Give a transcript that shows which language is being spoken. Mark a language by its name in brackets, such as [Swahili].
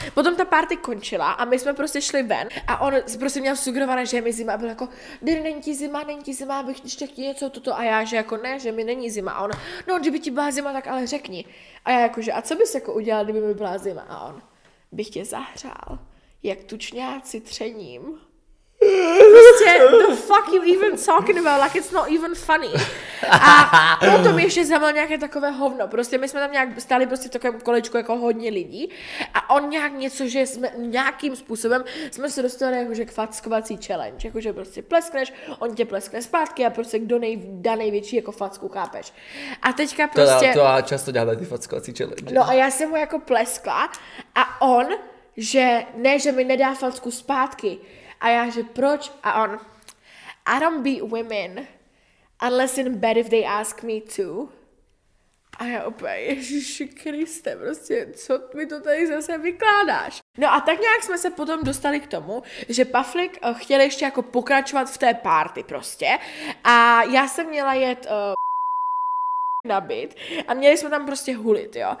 [Czech] Potom ta party končila a my jsme prostě šli ven a on prostě měl sugerované, že je mi zima a byl jako, není ti zima, abych ještě chtěl něco toto a já, že jako ne, že mi není zima. A on, no, kdyby ti byla zima, tak ale řekni. A já jakože, a co bys jako udělal, kdyby mi byla zima? A on, bych tě zahřál, jak tučňáci třením. Prostě, [English] the fuck you even talking about, like it's not even funny. [Czech] A potom ještě zamal nějaké takové hovno, prostě my jsme tam nějak stáli prostě v takovém kolečku jako hodně lidí a on nějak něco, že jsme nějakým způsobem, jsme se dostali jakože k fackovací challenge, jakože prostě pleskneš, on tě pleskne zpátky a prostě kdo dá největší jako facku, chápeš. A teďka prostě... To já často dělám ty fackovací challenge. No a já jsem mu jako pleskla a on, že ne, že mi nedá facku zpátky. A já, že proč? A on, [English] I don't beat women unless in bed if they ask me to. [Czech] A já úplně, Ježíši Kriste, prostě, co mi to tady zase vykládáš? No a tak nějak jsme se potom dostali k tomu, že pufflick chtěl ještě jako pokračovat v té party prostě a já jsem měla jet na byt a měli jsme tam prostě hulit, jo.